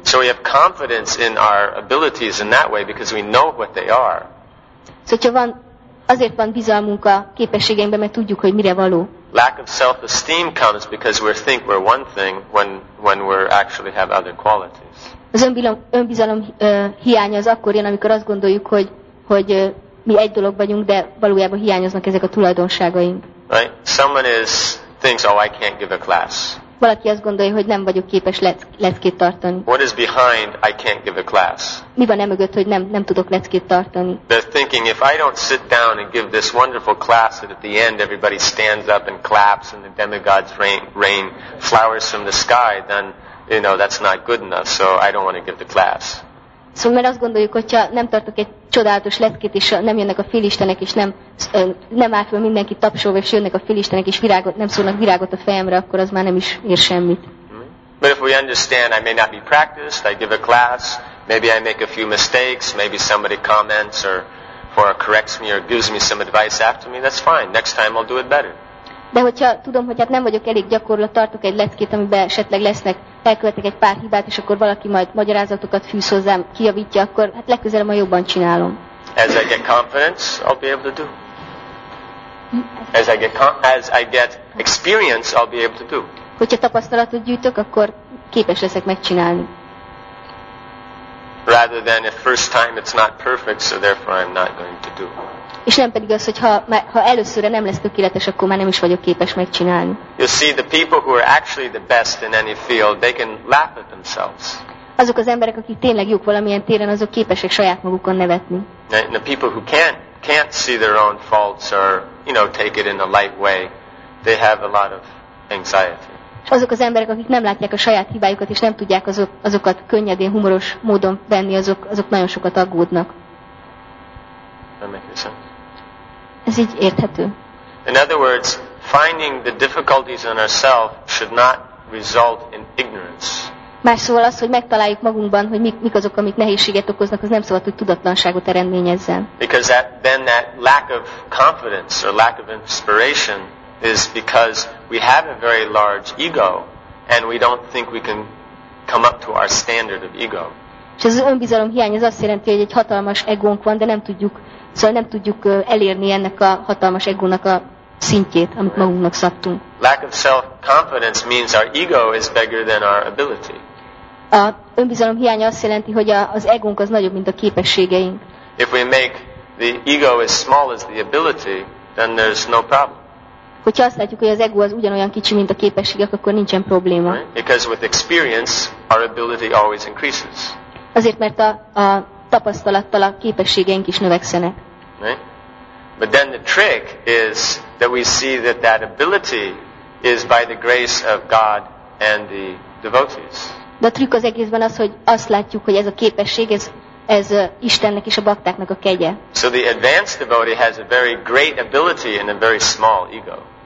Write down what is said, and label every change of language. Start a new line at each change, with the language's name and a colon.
English: So we have confidence in our abilities in that way because we know what they are.
Hungarian: Szóval van, azért van bizalmunk a képességeinkben, mert tudjuk, hogy mire való.
English: Lack of self-esteem comes because we think we're one thing when we actually have other qualities.
Hungarian: Az önbizalom hiánya az akkor jön, amikor azt gondoljuk, hogy mi egy dolog vagyunk, de valójában hiányoznak ezek a tulajdonságaink.
English: Right? Someone is thinks, oh, I can't give a class.
Hungarian: Valaki azt gondolja, hogy nem vagyok képes leckét tartani.
English: What is behind I can't give a class?
Hungarian: Mi van emögött, hogy nem tudok leckét tartani?
English: They're thinking, if I don't sit down and give this wonderful class that at the end everybody stands up and claps and the demigods rain flowers from the sky, then, you know, that's not good enough, so I don't want to give the class.
Hungarian: Szóval mert azt gondoljuk, hogyha nem tartok egy csodálatos leckét, és nem jönnek a félistenek, és nem áll fel mindenki tapsolva, és jönnek a félistenek, és virágot, nem szólnak virágot a fejemre, akkor az már nem is ér semmit.
English: But if we understand, I may not be practiced, I give a class, maybe I make a few mistakes, maybe somebody comments or corrects me or gives me some advice after me, that's fine, next time I'll do it better.
Hungarian: De hogyha tudom, hogy hát nem vagyok elég gyakorlat, tartok egy leckét, amiben esetleg lesznek, elkövetek egy pár hibát, és akkor valaki majd magyarázatokat fűz hozzám, kijavítja, akkor hát legközelebb majd jobban csinálom.
English: As I get confidence, I'll be able to do. As I get experience, I'll be able to do.
Hungarian: Hogyha tapasztalatot gyűjtök, akkor képes leszek megcsinálni.
English: Rather than if first time it's not perfect, so therefore I'm not going to do.
Hungarian: És nem pedig az, hogy ha előszörre nem lesz tökéletes, akkor már nem is vagyok képes megcsinálni.
English: You see, the people who are actually the best in any field, they can laugh at themselves.
Hungarian: Azok az emberek, akik tényleg jók valamilyen téren, azok képesek saját magukon nevetni.
English: And the people who can't see their own faults or, you know, take it in a light way, they have a lot of anxiety.
Hungarian: azok az emberek, akik nem látják a saját hibáikat, és nem tudják azokat könnyedén, humoros módon venni, azok nagyon sokat aggódnak. Ez így érthető.
English: In other words, finding the difficulties in ourselves should not result in ignorance.
Hungarian: Más szóval az, hogy megtaláljuk magunkban, hogy mik azok, amik nehézséget okoznak, az nem szabad, hogy tudatlanságot eredményezzen.
English: Because that, then that lack of confidence or lack of inspiration is because we have a very large ego and we don't think we can come up to our standard of ego.
Hungarian: És az önbizalom hiány az azt jelenti, hogy egy hatalmas egónk van, de nem tudjuk, szóval nem tudjuk elérni ennek a hatalmas egónak a szintjét, amit magunknak szabtunk.
English: Lack of self-confidence means our ego is bigger than our ability.
Hungarian: A önbizalom hiánya azt jelenti, hogy az egónk az nagyobb, mint a képességeink.
English: If we make the ego as small as the ability, then there's no problem.
Hungarian: Hogyha azt látjuk, hogy az ego az ugyanolyan kicsi, mint a képességek, akkor nincsen probléma.
English: Right? Because with experience, our ability always increases.
Hungarian: Azért, mert a tapasztalattal a képességeink is növekszenek.
English: Right? But then the trick is that we see that that ability is by the grace of God and the devotees.
Hungarian: De a trükk az egészben az, hogy azt látjuk, hogy ez a képesség, ez Istennek és a baktáknak a kegye.
English: So the advanced devotee has a very great ability and a very small ego.